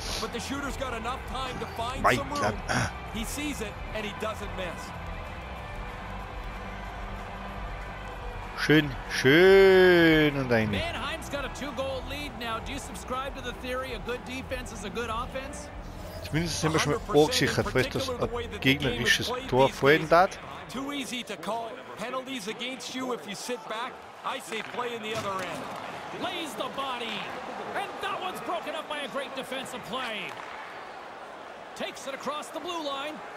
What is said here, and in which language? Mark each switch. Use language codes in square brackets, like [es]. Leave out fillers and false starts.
[en] But the shooter's got enough time to find some room. He sees it and he doesn't miss. [de] Schön, schön und ein. [en] Mannheim's got a two-goal lead now. Do you subscribe to the theory a good defense is a good offense? [de] Zumindest sind wir schon mal vorgesichert, falls das ein gegnerisches Tor fallen darf. [en] Too easy to call penalties against you if you sit back. I say play in the other end. Lays the body. And that one's broken up by a great defensive play. Takes it across the blue line.